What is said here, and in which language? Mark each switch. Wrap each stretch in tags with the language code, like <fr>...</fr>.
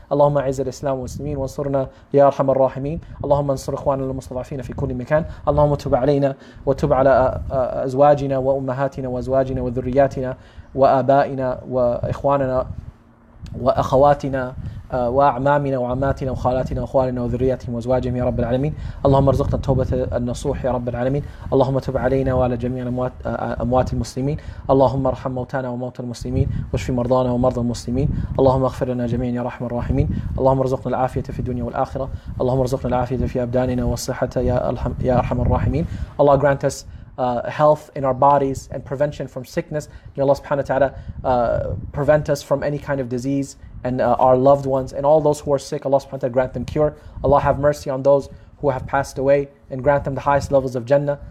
<ar>Allahumma a'izz al-Islam wa muslimin wa ansurna ya arhamar rahimin. Allahumma ansur ikhwanana al-mustada'afina fi kulli makan. Allahumma tub alayna wa tub ala azwajina wa ummahatina wa azwajina wa dhurriyyatina wa abaina wa ikhwanana wa akhawatina وأعمامنا وعماتنا وخالاتنا وأخواننا وذرياتهم وأزواجهم يا رب العالمين. اللهم ارزقنا التوبة النصوح يا رب العالمين. اللهم تب علينا وعلى جميع أموات المسلمين. اللهم ارحم موتانا وموتى المسلمين واشف مرضانا ومرضى المسلمين. اللهم اغفر لنا جميعا يا رحمن الرحيمين. اللهم ارزقنا العافية في الدنيا والآخرة. اللهم ارزقنا العافية في أبداننا والصحة يا أرحم الراحمين.</ar> <en>الله grant us health in our bodies and prevention from sickness. May Allah subhanahu wa ta'ala prevent us from any kind of disease, and our loved ones and all those who are sick. Allah subhanahu wa ta'ala grant them cure. Allah have mercy on those who have passed away and grant them the highest levels of Jannah.</en>